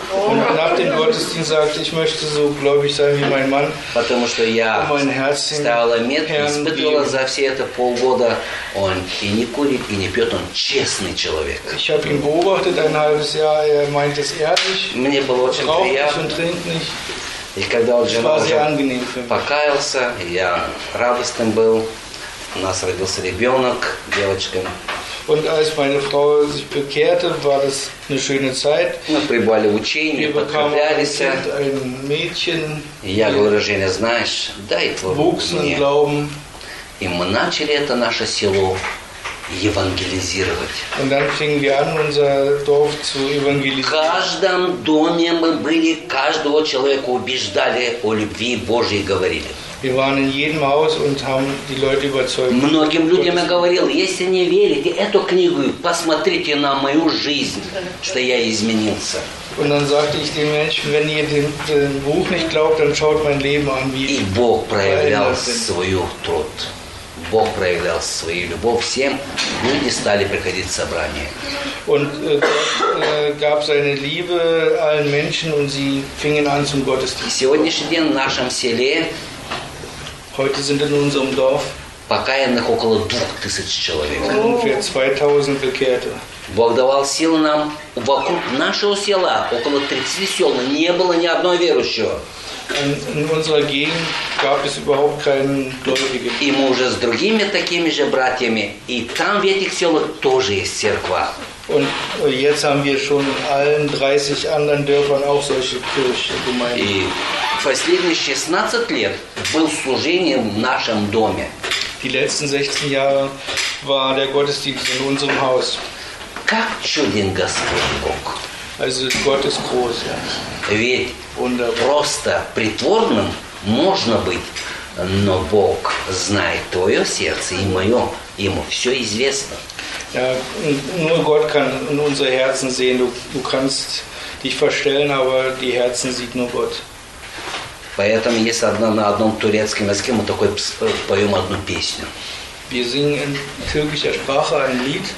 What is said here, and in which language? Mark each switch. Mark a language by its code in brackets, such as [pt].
[de] Und nach dem Gottesdienst sagte, ich möchte so gläubig sein wie mein Mann. [ru] Потому что я ставила метку, испытывала за все это полгода, он и не курит, и не пьет, он честный человек. [de] Ich habe ihn beobachtet ein halbes Jahr, er meint es ehrlich. [ru] Мне было очень приятно. [de] Und trinkt nicht. [ru] И когда он уже покаялся, я радостным был. У нас родился ребенок, девочка. [de] Und als meine Frau sich bekehrte, war das eine schöne Zeit. Wir [ru] прибывали учения, подкреплялись. [de] Ein Mädchen. [ru] Я говорю, Женя, знаешь, дай твой [de] Glauben. [ru] И мы начали это наше село евангелизировать. [de] Und dann fingen wir an, unser Dorf zu evangelisieren. [ru] В каждом доме мы были, каждого человека убеждали о любви Божьей говорили. [de] Wir waren in jedem Haus und haben die Leute überzeugt. [ru] Многим людям я говорил, если не верите эту книгу, посмотрите на мою жизнь, что я изменился. [de] Und dann sagte ich den Menschen, wenn ihr dem Buch nicht glaubt, dann schaut mein Leben an, wie ich. [ru] И Бог проявлял свою труд. Бог проявлял свою любовь всем. Люди стали приходить в собрание. [de] Und gab seine Liebe allen Menschen und sie fingen an zum Gottesdienst. [ru] И сегодняшний день в нашем селе. [de] Heute sind in unserem Dorf. [ru] Покаянных около 2000 человек. [de] Ungefähr 2000 Bekehrte. [ru] Бог давал силы нам. Вокруг нашего села около 30 сел не было ни одного верующего. [de] In unserer Gegend gab es überhaupt keinen Gläubigen. [ru] И мы уже с другими такими же братьями. И там, в этих селах, тоже есть церковь. [de] Und jetzt haben wir schon in allen 30 anderen Dörfern auch solche Kirchengemeinden. [ru] И последние 16 лет был служением в нашем доме. [de] Die letzten 16 Jahre war der Gottesdienst in unserem Haus. [ru] Как чуден Господь Бог. [de] Also Gott ist groß, ja. [ru] Ведь [de] Wunderbar. [ru] Просто притворным можно быть, но Бог знает твое сердце и мое, ему все известно. [de] Ja, nur Gott kann in unser Herzen sehen, du kannst dich verstellen, aber die Herzen sieht nur Gott. [ru] Поэтому есть одна на одном турецком языке мы такой поем одну песню. [de] Wir singen in türkischer Sprache ein Lied.